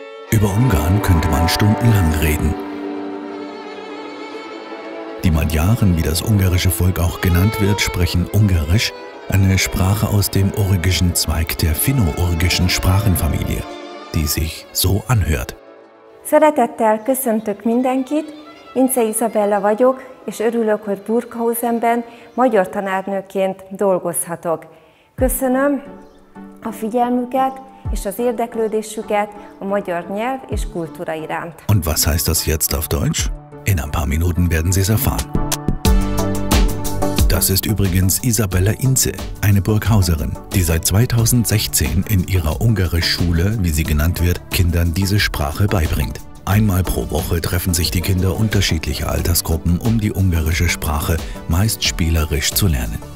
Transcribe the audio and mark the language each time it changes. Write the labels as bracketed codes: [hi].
[de] Über Ungarn könnte man stundenlang reden. Die Magyaren, wie das ungarische Volk auch genannt wird, sprechen Ungarisch, eine Sprache aus dem urgischen Zweig der finno-urgischen Sprachenfamilie, die sich so anhört. [hu] Szeretettel köszöntök mindenkit, Ince Isabella vagyok, és örülök, hogy Burghausenben magyar tanárnőként dolgozhatok. Köszönöm a figyelmüket és az érdeklődésüket a magyar nyelv és kultúra iránt. [de] Und was heißt das jetzt auf Deutsch? In ein paar Minuten werden Sie es erfahren. Das ist übrigens Isabella Ince, eine Burghauserin, die seit 2016 in ihrer ungarischen Schule, wie sie genannt wird, Kindern diese Sprache beibringt. Einmal pro Woche treffen sich die Kinder unterschiedlicher Altersgruppen, um die ungarische Sprache meist spielerisch zu lernen.